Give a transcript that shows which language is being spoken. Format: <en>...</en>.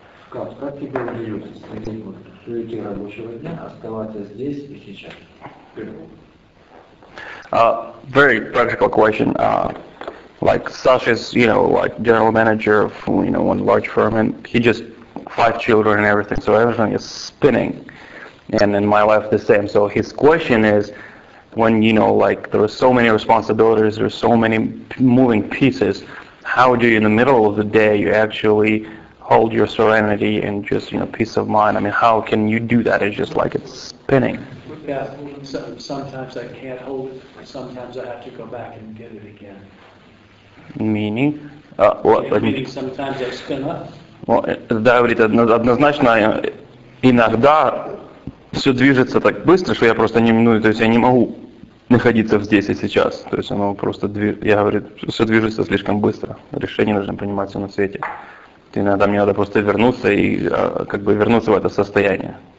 <ru>Как тебе удается с таким вот суете рабочего дня оставаться здесь и сейчас?</ru> <en>Very practical question. Like Sasha's, you know, like general manager of, you know, one large firm, and he just 5 children and everything, so everything is spinning. And in my life the same. So his question is, when, you know, like there are so many responsibilities, there are so many moving pieces, how do you, in the middle of the day, you actually hold your serenity and just, you know, peace of mind? I mean, how can you do that? It's just like it's spinning. Yeah, sometimes I can't hold it. Sometimes I have to go back and get it again. Meaning? Meaning sometimes I spin up.</en> <ru>Well, да, говорит, однозначно, иногда все движется так быстро, что я просто не, ну, то есть я не могу находиться здесь и сейчас. То есть оно просто, я говорю, все движется слишком быстро. Решение нужно принимать все на свете. Иногда мне надо просто вернуться и как бы вернуться в это состояние.</ru>